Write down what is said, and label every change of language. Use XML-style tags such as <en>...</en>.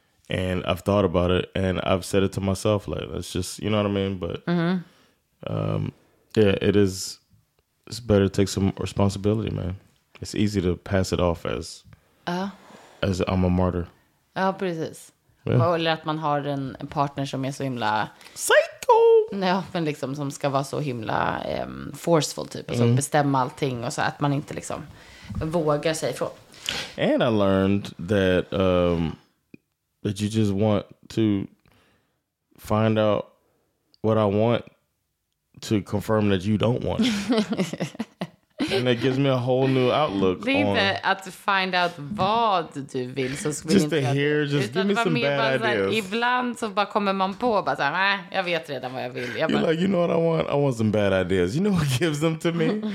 <en>And I've thought about it. And I've said it to myself. Like, that's just, you know what I mean? But, yeah, it is. It's better to take some responsibility, man. It's easy to pass it off as I'm a martyr.</en> <sv>Ja, precis. Yeah. Eller att man har en partner som är så himla...</sv> <en>Psycho!</en> <sv>Ja, men liksom som ska vara så himla forceful typ. Och så bestämma allting och så att man inte liksom vågar sig ifrån.</sv> <en>And I learned that that you just want to find out what I want to confirm that you don't want. And it gives me a whole new outlook.</en> <sv>Det är inte att</sv> <en>find out</en> <sv>vad du vill. Så</sv> <en>just to hear, just give me some bad ideas.</en> <sv>Så här, ibland så bara kommer man på, bara så här, jag vet redan vad jag vill. Jag bara,</sv> <en>you're like, you know what I want? I want some bad ideas. You know what gives them to me?</en>